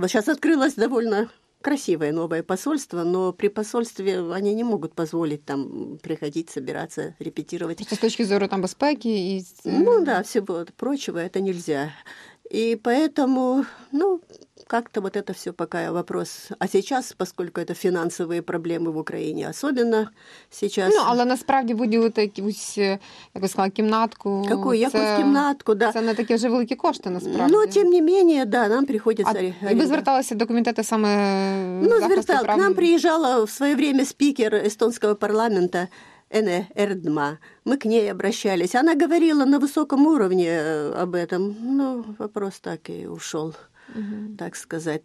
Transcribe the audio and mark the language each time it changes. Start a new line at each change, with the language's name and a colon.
Russian: Вот сейчас открылась довольно... Красивое новое посольство, но при посольстве они не могут позволить там приходить, собираться, репетировать. Это с точки зрения там безопасности и... Ну да, всего прочего это нельзя. И поэтому, ну, как-то вот это все пока вопрос. А сейчас, поскольку это финансовые проблемы в Украине, особенно сейчас...
Ukrainian: Ну, але насправді виділити якусь, як ви сказали, кімнатку...
Russian: Какую?
Ukrainian: Якусь кімнатку, да. Це не такі вже великі кошти, насправді.
Russian: Ну, тем не менее, да, нам приходится...
Ukrainian: А, и вы зверталися до комитета саме... Ну, звертала.
Russian: К нам приезжала в свое время спикер эстонского парламента Ене Эрдма. Мы к ней обращались. Она говорила на высоком уровне об этом. Ну, вопрос так и ушел. Угу. Так сказать.